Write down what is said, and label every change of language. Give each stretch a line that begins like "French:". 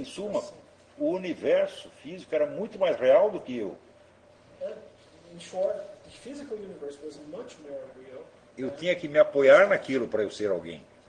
Portuguese: Em suma, o universo físico era muito mais real do que eu.
English: In short, the physical universe was much more real.
Portuguese: Eu tinha que me apoiar naquilo para eu ser alguém.